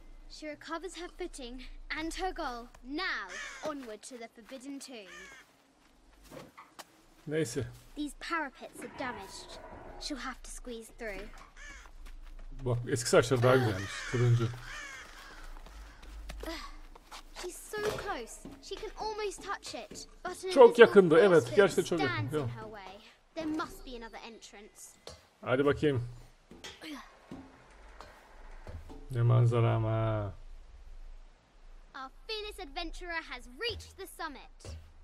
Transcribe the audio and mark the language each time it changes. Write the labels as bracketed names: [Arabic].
[English] She recovers her footing and her goal. Now onward to the forbidden tomb. [Turkish] Neyse. [English] These parapets are damaged. She'll have to squeeze through. [Turkish] Bak, eski saçlar daha güzelmiş. Kırıncı. [English] She's so close. She can almost touch it. [Turkish] But çok yakındı. Evet, gerçekten çok yakındı. [English] There must be another entrance. [Turkish] Hadi bakayım. Ne manzara ama. [English] Our fearless adventurer has reached the summit.